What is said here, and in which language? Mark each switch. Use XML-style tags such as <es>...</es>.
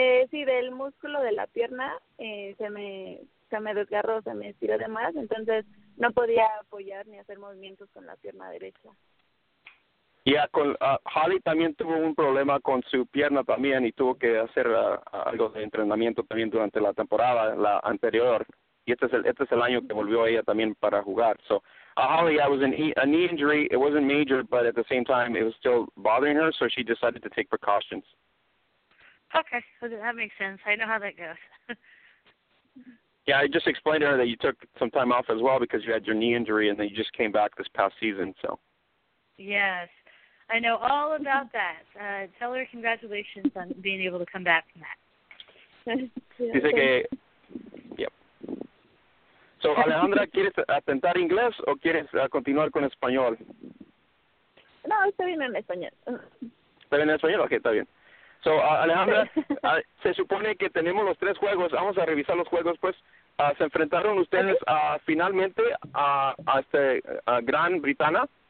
<es>sí, del músculo de la pierna se me desgarró, se me estiró de más, entonces no podía apoyar ni hacer movimientos con la pierna derecha. Yeah, Holly también tuvo un problema con su pierna también y tuvo que hacer algo de entrenamiento también durante la temporada, la anterior. Y este es el año que volvió ella también para jugar.</es> <en>So, Holly, I was in a knee injury. It wasn't major, but at the same time, it was still bothering her, so she decided to take precautions. Okay, so that makes sense. I know how that goes. Yeah, I just explained to her that you took some time off as well because you had your knee injury and then you just came back this past season, so. Yes. I know all about that. Tell her congratulations on being able to come back from that.</en> <es>Dice que, yep. So, Alejandra, ¿quieres atentar inglés o quieres continuar con español? No, está bien en español. ¿Está bien en español? Ok, está bien. So, Alejandra, se supone que tenemos los tres juegos. Vamos a revisar los juegos, pues. Se enfrentaron ustedes finalmente a Gran Bretaña.</es>